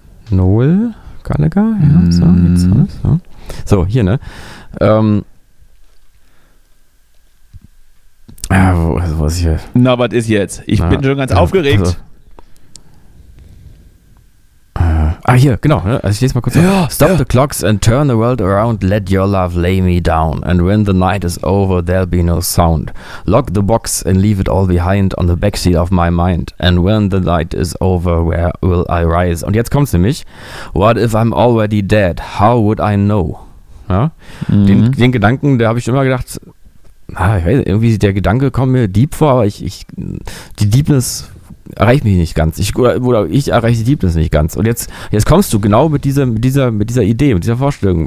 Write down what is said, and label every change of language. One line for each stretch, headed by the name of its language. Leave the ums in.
German: Noel Gallagher. Ja, mm. so, jetzt, so. so, hier, ne? Ähm. Ja, was hier? Na, was ist jetzt? Ich Na, bin schon ganz ja, aufgeregt. Also. Ah, hier, genau. Also ich lese mal kurz ja, mal.
English: Stop ja. the clocks and turn the world around. Let your love lay me down. And when the night is over, there'll be no sound. Lock the box and leave it all behind on the backseat of my mind. And when the night is over, where will I rise?
German: Und jetzt kommt kommt's nämlich.
English: What if I'm already dead? How would I know? Ja? Mhm.
German: Den, den, Gedanken, der habe ich immer gedacht. Ah, ich weiß, irgendwie der Gedanke kommt mir deep vor, aber ich, ich, die Deepness erreicht mich nicht ganz. Ich, oder, oder ich erreiche die Deepness nicht ganz. Und jetzt, jetzt kommst du genau mit dieser, mit, dieser, mit dieser Idee, mit dieser Vorstellung.